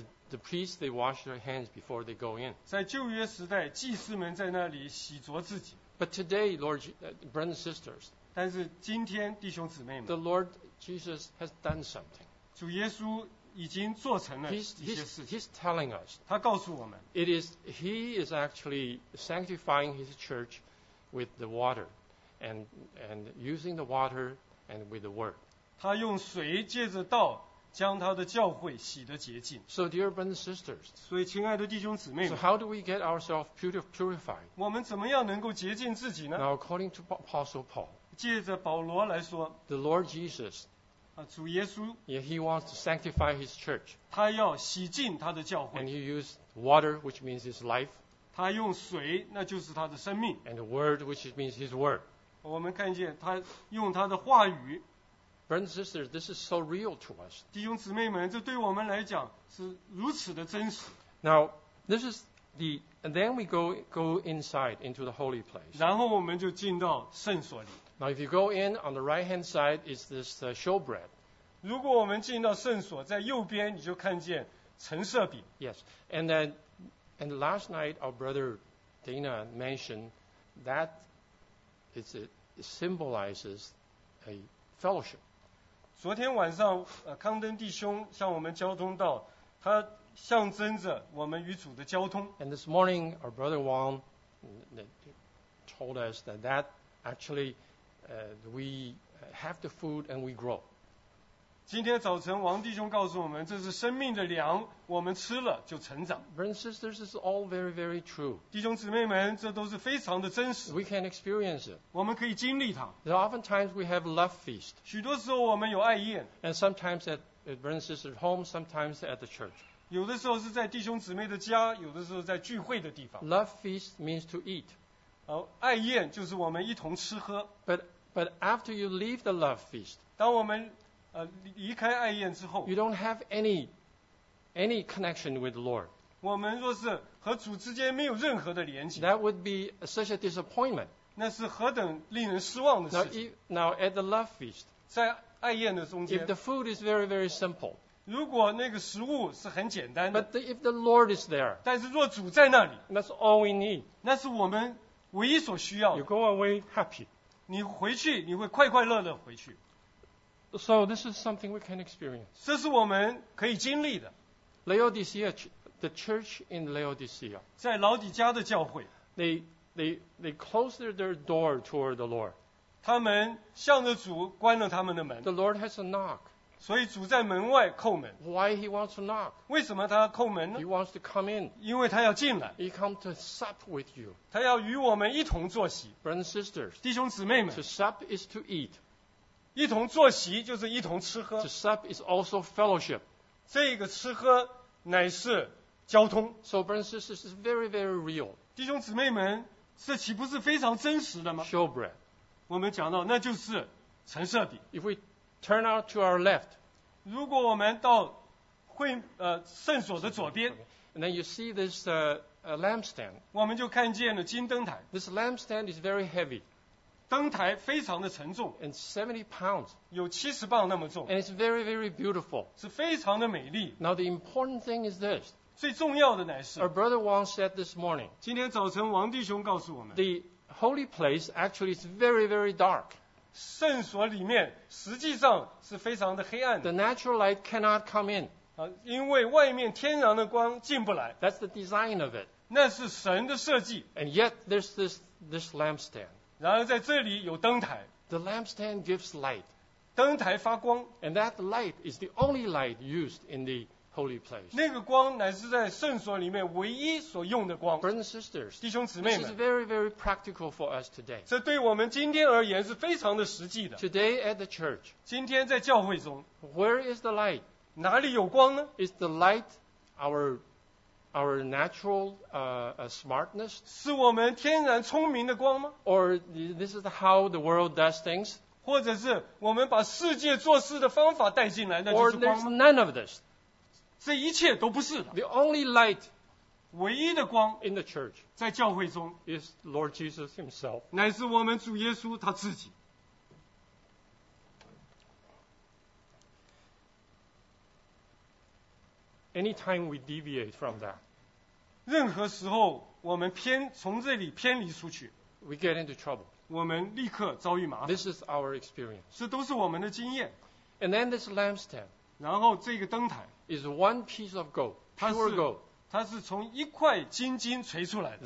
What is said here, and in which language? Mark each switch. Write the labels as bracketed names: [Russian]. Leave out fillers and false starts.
[English] The priests they wash their hands before they go in. [Chinese] 在旧约时代，祭司们在那里洗濯自己。 [English] But today, Lord, brothers and sisters, [Chinese] 但是今天弟兄姊妹们 [English] ，The Lord Jesus has done something. [Chinese] 主耶稣已经做成了一些事情。 [English] He's telling us. [Chinese] 他告诉我们。 [English] It is he is actually sanctifying his church with the water, and using the water and with the word. [Chinese] 他用水借着道将他的教会洗得洁净。 [English] So dear brothers and sisters. [Chinese] 所以亲爱的弟兄姊妹们。 [English] So how do we get ourselves purified? [Chinese] 我们怎么样能够洁净自己呢 [English] ？Now according to Apostle Paul. [Chinese] 借着保罗来说。 [English] The Lord Jesus. [Chinese] 主耶稣 [English] yeah, he wants to sanctify his church. [Chinese] 他要洗净他的教会。 [English] And he used water, which means his life. [Chinese] 他用水，那就是他的生命。 [English] And the word, which means his word. [Chinese] 我们看见他用他的话语。 [English] Brothers and sisters, this is so real to us. [Chinese] 弟兄姊妹们，这对我们来讲是如此的真实。 [English] Now, this is the, and then we go inside into the holy place. [Chinese] 然后我们就进到圣所里。 [English] Now, if you go in on the right-hand side, is this showbread? [Chinese] 如果我们进到圣所，在右边你就看见陈设饼。 [English] Yes, and last night our brother Dana mentioned that it symbolizes a fellowship. [Chinese] 昨天晚上，康登弟兄向我们交通到，他象征着我们与主的交通。 [English] And this morning, our brother Wong told us that actually we have the food and we grow. [Chinese] 今天早晨王弟兄告诉我们这是生命的粮我们吃了就成长。 [English] Brothers and sisters, this is all very, very true. [Chinese] 弟兄姊妹们这都是非常的真实。 [English] We can experience it. [Chinese] 我们可以经历它。 [English] Oftentimes we have love feast. [Chinese] 许多时候我们有爱宴。 [English] And sometimes at brothers and sisters home, sometimes at the church. [Chinese] 有的时候是在弟兄姊妹的家有的时候在聚会的地方。 [English] Love feast means to eat. [Chinese] 爱宴就是我们一同吃喝。 [English] But after you leave the love feast, [Chinese] 当我们离开爱宴之后 [English] you don't have any connection with the Lord. [Chinese] 我们若是和主之间没有任何的连接 [English] that would be such a disappointment. [Chinese] 那是何等令人失望的事情。 [English] Now at the love feast, [Chinese] 在爱宴的中间 [English] if the food is very, very simple, [Chinese] 如果那个食物是很简单的 [English] ，But if the Lord is there， [Chinese] 但是若主在那里 [English] ，That's all we need， [Chinese] 那是我们唯一所需要的。 [English] You go away happy， [Chinese] 你回去你会快快乐乐回去。 [English] So this is something we can experience， [Chinese] 这是我们可以经历的。 [English] Laodicea， the church in Laodicea， [Chinese] 在老底家的教会 [English] ，They closed their door toward the Lord， [Chinese] 他们向着主关了他们的门。 [English] The Lord has a knock。 [Chinese] 所以主在门外叩门。 [English] Why he wants to knock？ [Chinese] 为什么他叩门呢 [English] ？He wants to come in。 [Chinese] 因为他要进来。 [English] He come to sup with you。 [Chinese] 他要与我们一同坐席。 [English] Brothers and sisters， [Chinese] 弟兄姊妹们。 [English] To sup is to eat。 [Chinese] 一同坐席就是一同吃喝。 [English] To sup is also fellowship。 [Chinese] 这个吃喝乃是交通。 [English] So brothers and sisters is very very real。 [Chinese] 弟兄姊妹们，这岂不是非常真实的吗 [English] ？Showbread。 [Chinese] 我们讲到那就是陈设饼。 [English] If weTurn out to our left. [Chinese] 如果我们到会圣所的左边 [English] ，and then you see this lampstand. [Chinese] 我们就看见了金灯台。 [English] This lampstand is very heavy. [Chinese] 灯台非常的沉重 [English] ，and 70 pounds. [Chinese] 有70磅那么重 [English] ，and it's very very beautiful. [Chinese] 是非常的美丽。 [English] Now the important thing is this. [Chinese] 最重要的乃是。 [English] Our brother Wang said this morning. [Chinese] 今天早晨王弟兄告诉我们。 [English] The holy place actually is very very dark. [Chinese] 圣所里面实际上是非常的黑暗的。 [English] The natural light cannot come in. [Chinese] 因为外面天然的光进不来。 [English] That's the design of it. [Chinese] 那是神的设计。 [English] And yet there's this lampstand. [Chinese] 然而在这里有灯台。 [English] The lampstand gives light. [Chinese] 灯台发光。 [English] And that light is the only light used in the holy place. [Chinese] 那个光乃是在圣所里面唯一所用的光。 [English] Brothers and sisters, [Chinese] 弟兄姊妹们 [English] ，This is very, very practical for us today. [Chinese] 这对我们今天而言是非常的实际的。 [English] Today at the church, [Chinese] 今天在教会中 [English] ，Where is the light? [Chinese] 哪里有光呢 [English] ？Is the light our natural smartness? [Chinese] 是我们天然聪明的光吗 [English] ？Or this is how the world does things? [Chinese] 或者是我们把世界做事的方法带进来，那就是光吗 [English] ？Or there's none of this. [Chinese] 这一切都不是的。 [English] The only light， [Chinese] 唯一的光 [English] ，in the church， [Chinese] 在教会中 [English] ，is Lord Jesus Himself， [Chinese] 乃是我们主耶稣他自己。 [English] Anytime we deviate from that， [Chinese] 任何时候我们从这里偏离出去 [English] ，we get into trouble， [Chinese] 我们立刻遭遇麻烦。 [English] This is our experience， [Chinese] 这都是我们的经验。 [English] And then this lampstand， [Chinese] 然后这个灯台。 [English] Is one piece of gold, pure gold. [Chinese] 它是从一块金金锤出来的。